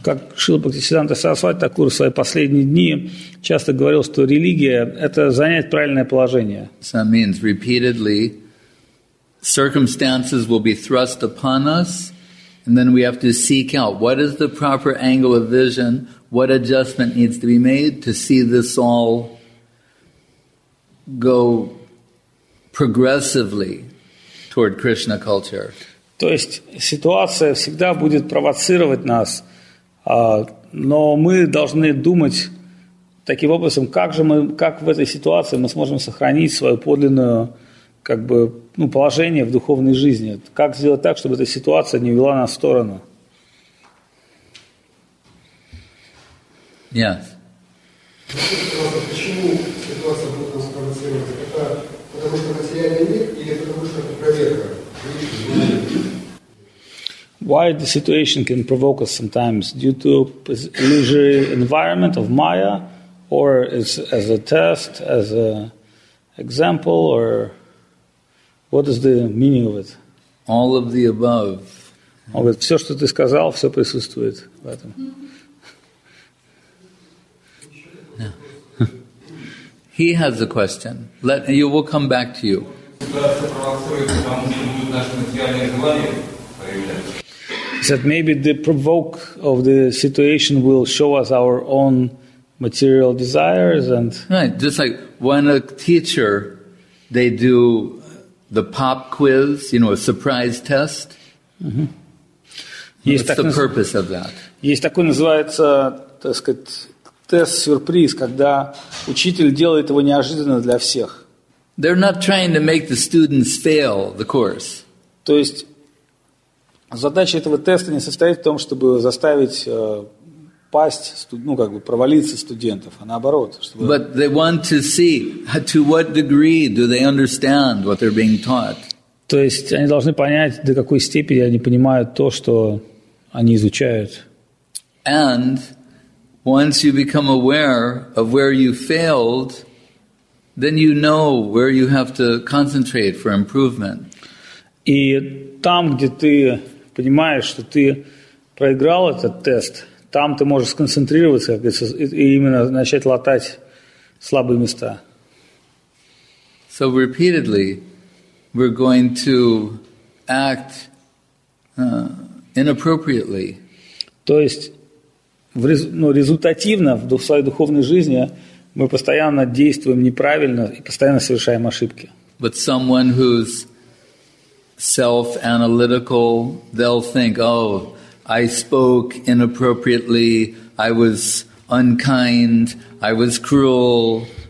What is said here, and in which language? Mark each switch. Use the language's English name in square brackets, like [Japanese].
[Russian] Как Шрила Бхактисиддханта Сарасвати Такур в свои последние дни часто говорил, что религия – это занять правильное положение. [English] So that means repeatedly circumstances will be thrust upon us, and then we have to seek out what is the proper angle of vision, what adjustment needs to be made to see this all go progressively toward Krishna culture. [Russian] То есть ситуация всегда будет провоцировать нас, но мы должны думать таким образом, как в этой ситуации мы сможем сохранить свое подлинное как бы, ну, положение в духовной жизни. Как сделать так, чтобы эта ситуация не вела нас в сторону? [English] Yes. [Russian] Почему ситуация будет нас провоцировать? Это потому, что материальный мир или потому, что это проверка? [English] Why the situation can provoke us sometimes due to illusory environment of Maya, or as a test, as an example, or what is the meaning of it? All of the above. [Russian] Он говорит, все, что ты сказал, все присутствует в этом. [English] He has a question. You will come back to you. That maybe the provoke of the situation will show us our own material desires and right, just like when a teacher they do the pop quiz, you know, a surprise test. Mm-hmm. What's the purpose of that? [Russian] Есть такой называется, так сказать, тест-сюрприз, когда учитель делает его неожиданно для всех. [English] They're not trying to make the students fail the course. [Russian] То есть задача этого теста не состоит в том, чтобы заставить пасть, ну как бы провалиться студентов, а наоборот, чтобы. [English] But they want to see to what degree do they understand what they're being taught. [Russian] То есть они должны понять, до какой степени они понимают то, что они изучают. [English] And once you become aware of where you failed, then you know where you have to concentrate for improvement. [Russian] И там, где ты понимаешь, что ты проиграл этот тест, там ты можешь сконцентрироваться, как говорится, и именно начать латать слабые места. [English] So repeatedly we're going to act inappropriately. [Russian] То есть, ну, результативно в своей духовной жизни мы постоянно действуем неправильно и постоянно совершаем ошибки. [English] But someone who's self-analytical, they'll think, oh, I spoke inappropriately, I was unkind, I was cruel.